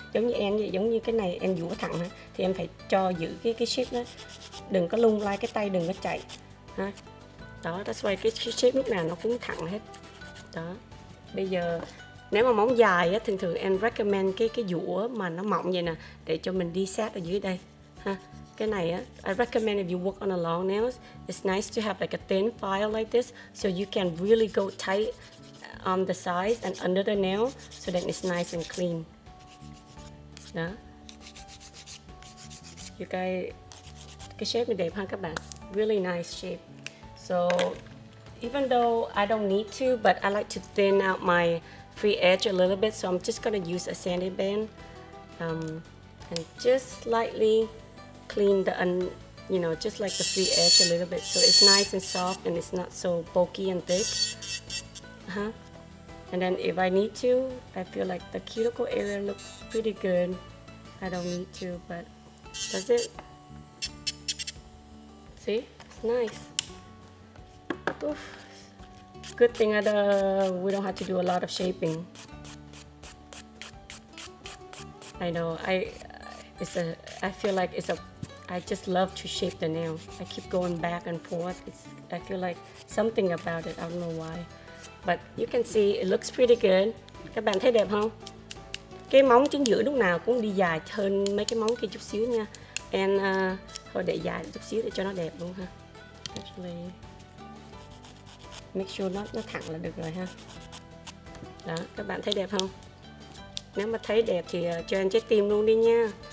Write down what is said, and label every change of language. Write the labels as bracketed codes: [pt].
[vi] Giống như em vậy, giống như cái này em vũa thẳng á, thì em phải cho giữ cái shape đó, đừng có lung lay cái tay, đừng có chạy ha. Đó, [en] that's why [vi] cái shape lúc nào nó cũng thẳng hết. Đó, bây giờ nếu mà móng dài á, thường thường em recommend cái vũa mà nó mỏng vậy nè, để cho mình đi sát ở dưới đây ha. Cái này á, [en] I recommend if you work on a long nails, it's nice to have like a thin file like this, so you can really go tight on the sides and under the nail, so that it's nice and clean. [vi] Đó. [en] You guys, [vi] cái shape này đẹp ha các bạn. [en] Really nice shape. So even though I don't need to, but I like to thin out my free edge a little bit, so I'm just gonna use a sanding band and just slightly clean the you know, just like the free edge a little bit, so it's nice and soft and it's not so bulky and thick. And then if I need to, I feel like the cuticle area looks pretty good. I don't need to, but does it? See? It's nice. Oof. Good thing that we don't have to do a lot of shaping. I know, I just love to shape the nail. I keep going back and forth. I feel like something about it, I don't know why. But you can see it looks pretty good. [vi] Các bạn thấy đẹp không? Cái móng chính giữa lúc nào cũng đi dài hơn mấy cái móng kia chút xíu nha. And thôi để dài chút xíu để cho nó đẹp luôn ha. [en] Actually, make sure [vi] nó thẳng là được rồi ha. Đó, các bạn thấy đẹp không? Nếu mà thấy đẹp thì cho em trái tim luôn đi nha.